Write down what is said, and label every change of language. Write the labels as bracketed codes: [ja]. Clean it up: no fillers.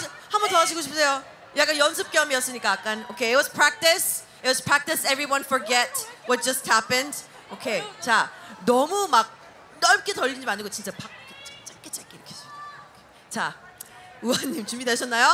[ko] 한 번 더 하시고 싶으세요? 약간 연습 겸이었으니까, 약간. [en] 오케이, it was practice. It was practice, everyone forget what just happened. [ko] Okay, 자, 너무 막 넓게 돌리지 말고 진짜 짧게 이렇게. 자, 우아님 준비되셨나요?